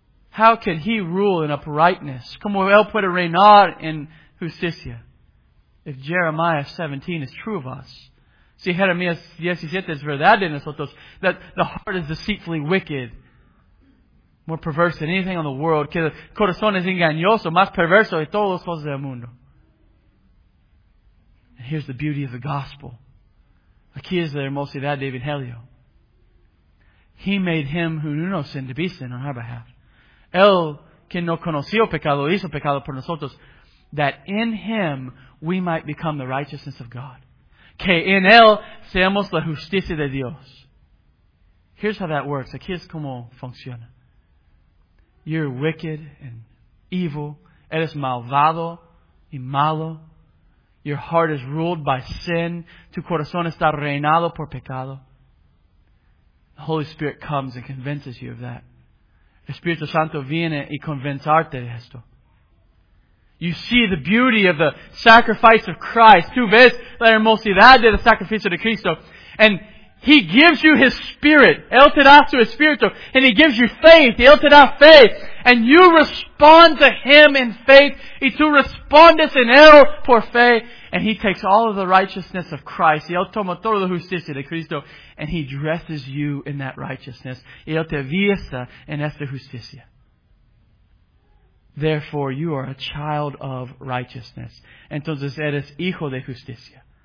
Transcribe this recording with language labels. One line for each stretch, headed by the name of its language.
English: How can He rule in uprightness?
Spanish: ¿Cómo Él puede reinar en justicia?
English: If Jeremiah 17 is true of us,
Spanish: si Jeremías 17 es verdad de nosotros,
English: that the heart is deceitfully wicked, more perverse than anything on the world,
Spanish: que el corazón es engañoso, más perverso de todas las cosas del mundo.
English: And here's the beauty of the gospel.
Spanish: Aquí es la hermosidad de Evangelio.
English: He made Him who knew no sin to be sin on our behalf.
Spanish: Él, quien no conoció pecado, hizo pecado por nosotros,
English: that in Him we might become the righteousness of God.
Spanish: Que en Él seamos la justicia de Dios.
English: Here's how that works.
Spanish: Aquí es como funciona.
English: You're wicked and evil.
Spanish: Eres malvado y malo.
English: Your heart is ruled by sin.
Spanish: Tu corazón está reinado por pecado.
English: The Holy Spirit comes and convinces you of that.
Spanish: Espíritu Santo viene y convencerte de esto.
English: You see the beauty of the sacrifice of Christ.
Spanish: Tú ves la hermosidad del sacrificio de Cristo.
English: And He gives you His Spirit.
Spanish: Él te da su Espíritu.
English: And He gives you faith.
Spanish: Él te da faith.
English: And you respond to Him in faith.
Spanish: Y tú respondes en Él por fe.
English: And He takes all of the righteousness of Christ.
Spanish: Y Él toma toda la justicia de Cristo.
English: And He dresses you in that righteousness.
Spanish: Y Él te viste en esta justicia.
English: Therefore, you are a child of righteousness.
Spanish: Entonces, eres hijo de justicia.